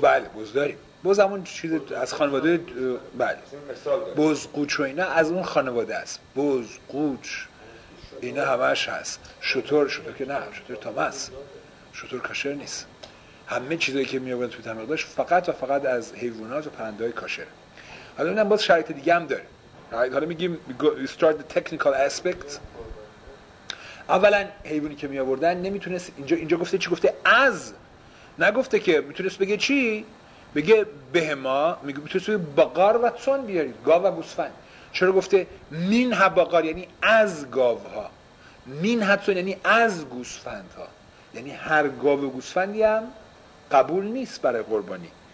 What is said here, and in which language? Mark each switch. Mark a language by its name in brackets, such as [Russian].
[Persian] بله بز داریم، بز همون چیز از خانواده، بله بز، قوچ و اینا از اون خانواده است. بز، قوچ اینا همش هست. شتر، شتر که نه، شتر تامس، شتر کاشر نیست. همه چیزایی که میآورن توی تمرق داشت فقط و فقط از حیوانات و پرنده‌های کاشر. حالا اینم باز شرایط دیگه هم داره. حالا میگیم [English] we start the technical aspect. [Persian] اولا حیوانی که میآوردن نمیتونست، اینجا گفته چی؟ گفته از، نگفته که میتونست بگه چی؟ بگه بهما، میگه میتونست بگه بقر و تون بیارید، گاو و گوسفند. چرا گفته مین ها باقار، یعنی از گاو ها، مین حتون یعنی از گوسفند ها، یعنی هر گاو و گوسفندی هم قبول نیست برای قربانی.